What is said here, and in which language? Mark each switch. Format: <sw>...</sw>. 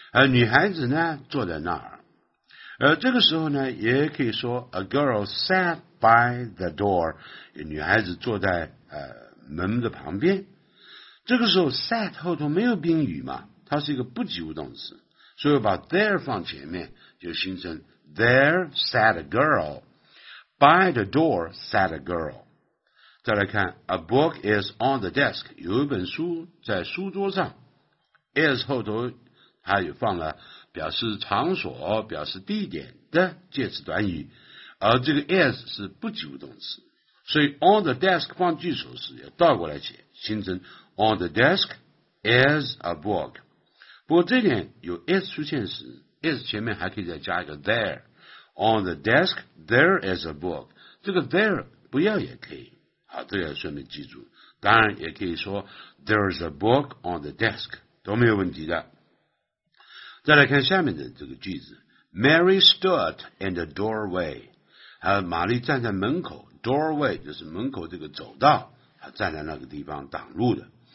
<zh>女孩子呢坐在那儿。这个时候呢也可以说 ,</zh> <en>A girl sat by the door,</en> <zh>女孩子坐在门的旁边。这个时候 sat 后头没有宾语嘛，它是一个不及物动词。所以把</zh> <en>there</en> <zh>放前面就形成</zh> <en>there sat a girl, by the door sat a girl。</en> <zh>再来看 ,</zh> <en>a book is on the desk,</en> <zh>有一本书在书桌上。 is 后头它也放了表示场所表示地点的介词短语。而这个 is 是不及物动词。所以 on the desk 放句首时要倒过来写，形成</zh> <en>on the desk is a book。</en> <zh>不过这点有 is 出现时 ,is 前面还可以再加一个 there。</zh> <en>on the desk, there is a book。</en> <zh>这个 there 不要也可以。好，这个要顺便记住，当然也可以说</zh> <en>There's a book on the desk</en> <zh>都没有问题的。再来看下面的这个句子，</zh> <en>Mary stood in the doorway，</en> <zh>玛丽站在门口， doorway 就是门口这个走道，她站在那个地方挡路的。</zh>